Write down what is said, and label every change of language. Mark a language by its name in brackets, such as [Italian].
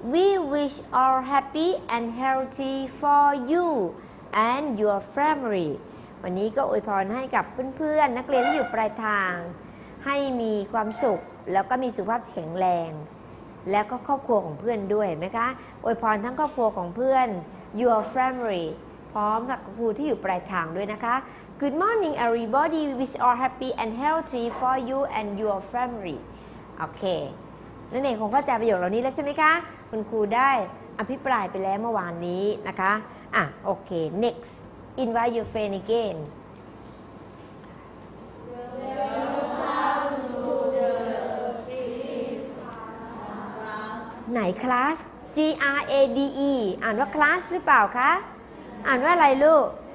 [English] We wish all happy and healthy for you and your family. [Thai] วันนี้ก็อวยพรให้กับเพื่อนๆ นักเรียนที่อยู่ปลายทางให้มีความสุขแล้วก็มีสุขภาพแข็งแรงแล้วก็ครอบครัวของเพื่อนด้วยไหมคะอวยพรทั้งครอบครัวของเพื่อน your family พร้อมกับครูที่อยู่ปลายทางด้วยนะคะ [English] Good morning, everybody. We wish all happy and healthy for you and your family. [Thai] โอเคนั่นเองคงเข้าใจประโยคเหล่านี้แล้วใช่ไหมคะคุณครูได้อภิปรายไปแล้วเมื่อวานนี้นะคะโอเค [English] next invite your friend again [Thai] ไหนคลาส G R A D E อ่านว่าคลาสหรือเปล่าคะอ่านว่าอะไรลูก